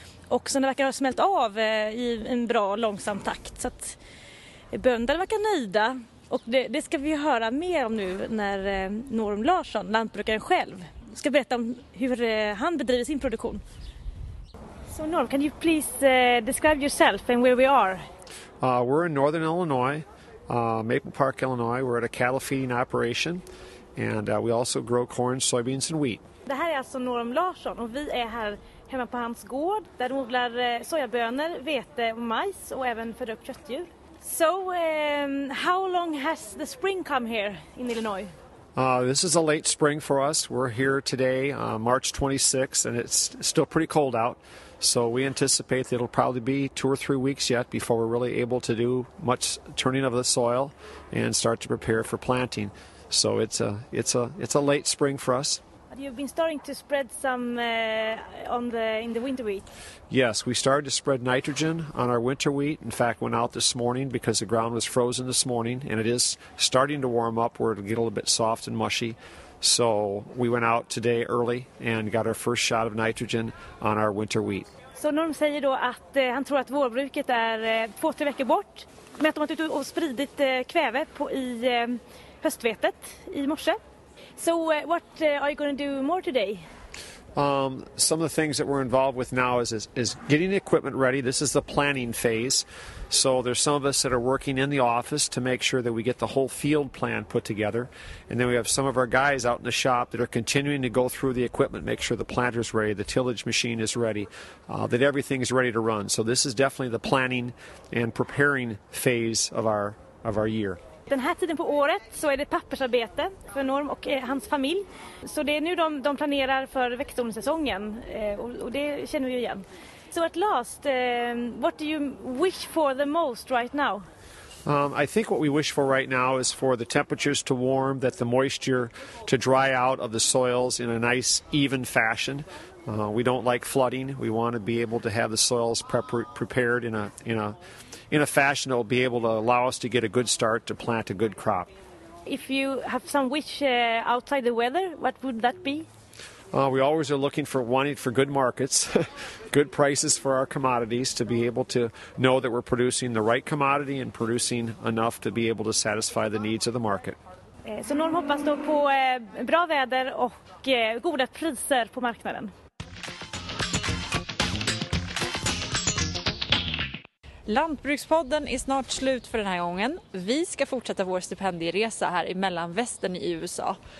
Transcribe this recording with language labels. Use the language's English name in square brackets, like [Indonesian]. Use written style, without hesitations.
[Swedish] Och sen det verkar ha smält av i en bra långsam takt. Så att bönderna verkar nöjda. Och det ska vi höra mer om nu när Norm Larsson, lantbrukaren själv, ska berätta om hur han bedriver sin produktion. [English] So Norm, can you please describe yourself and where we are? We're in northern Illinois, Maple Park, Illinois. We're at a cattle feeding operation and we also grow corn, soybeans and wheat. [Swedish] Det här är alltså Norm Larsson och vi är här hemma på hans gård där de odlar sojabönor, vete och majs och även föder upp köttdjur. [English] So how long has the spring come here in Illinois? This is a late spring for us. We're here today, March 26th, and it's still pretty cold out. So we anticipate that it'll probably be 2 or 3 weeks yet before we're really able to do much turning of the soil and start to prepare for planting. So it's a late spring for us. But you've been starting to spread some in the winter wheat. Yes, we started to spread nitrogen on our winter wheat. In fact, went out this morning because the ground was frozen this morning, and it is starting to warm up where it'll get a little bit soft and mushy. So we went out today early and got our first shot of nitrogen on our winter wheat. [Swedish] Så Norm säger då att han tror att vårbruket är 2-3 veckor bort, men att de har varit ute och spridit kväve i höstvetet i morse. [English] So what are you going to do more today? Some of the things that we're involved with now is getting the equipment ready. This is the planning phase. So there's some of us that are working in the office to make sure that we get the whole field plan put together. And then we have some of our guys out in the shop that are continuing to go through the equipment, make sure the planter's ready, the tillage machine is ready, that everything is ready to run. So this is definitely the planning and preparing phase of our year. [Swedish] Den här tiden på året så är det pappersarbete för Norm och hans familj. Så det är nu de planerar för växtodlingssäsongen och det känner vi ju igen. [English] So at last, what do you wish for the most right now? I think what we wish for right now is for the temperatures to warm, that the moisture to dry out of the soils in a nice even fashion. We don't like flooding. We want to be able to have the soils prepared in a fashion that will be able to allow us to get a good start to plant a good crop. If you have some wish outside the weather, what would that be? We always are looking for wanting for good markets, good prices for our commodities, to be able to know that we're producing the right commodity and producing enough to be able to satisfy the needs of the market. [Swedish] Så Norm hoppas då på bra väder och goda priser på marknaden. Lantbrukspodden är snart slut för den här gången. Vi ska fortsätta vår stipendieresa här i Mellanvästern i USA.